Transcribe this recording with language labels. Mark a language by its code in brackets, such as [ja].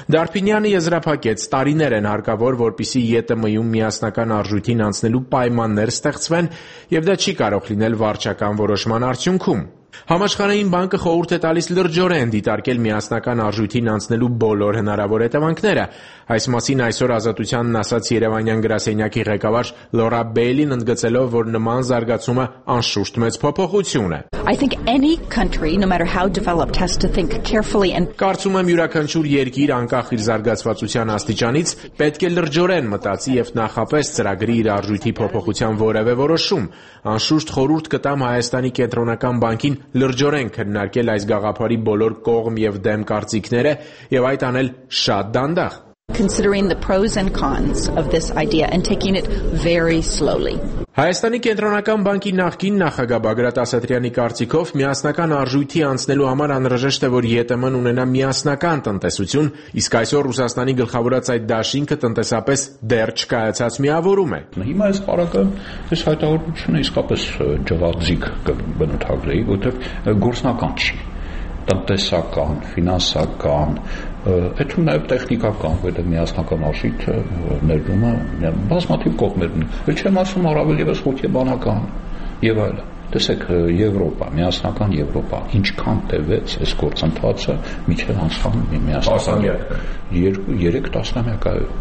[hy] Դարփինյանը եզրափակեց, տարիներ են հարկավոր, որպեսզի ԵՏՄ-ում միասնական արժույթին անցնելու պայմաններ ստեղծվեն, և դա չի կարող լինել վարչական որոշման արդյունքում։ Համաշխարհային բանկը խորհուրդ է տալիս լրջորեն դիտարկել միասնական արժույթին անցնելու բոլոր հնարավոր հետևանքները։ Այս մասին այսօր Ազատությանն ասաց Երևանյան գրասենյակի ղեկավար Լորա Բելին, ընդգծելով, որ նման զարգացումը անշուշտ մեծ փոփոխություն է։ [en] I think any country, no matter how developed, has to think carefully and [hy] Կարծում եմ յուրաքանչյուր երկիր, անկախ իր զարգացվածության աստիճանից, պետք է լրջորեն մտածի և նախապես ծրագրի իր արժույթի փոփոխության որևէ որոշում։ Անշուշտ խորհուրդ կտամ Հայաստանի կենտրոնական բանկին լրջորեն քննարկել այս գաղափարի բոլոր կողմ և դեմ կարծիքները և այդ անել շատ դանդաղ։ [en] Considering the pros and cons of this idea and taking it very slowly. [hy] Հայաստանի կենտրոնական բանկի նախկին նախագահ Բագրատ Ասատրյանի կարծիքով միասնական արժույթի անցնելու համար անհրաժեշտ է, որ ԵՏՄ-ն ունենա միասնական տնտեսություն, իսկ այսօր Ռուսաստանի գլխավորած այդ դաշինքը տնտեսապես դեռ չկայացած միավորում է։ Հիմա այս պարակը, այս հայտարարությունը իսկապես ջվածիկ կբնութագրեի, որովհետև գործնական չի, տնտեսական, ֆինանսական, այդու նաև տեխնիկական, որտեղ միասնական արժույթը ներդրում է բազմաթիվ կողմերն, ու չեմ ասում առավել եւս հոգեբանական եւ այլն։ Տեսեք, Եվրոպա, միասնական Եվրոպա, ինչքան տևեց այս գործընթացը մինչև անցնում միասնական 2-3 տասնամյակը։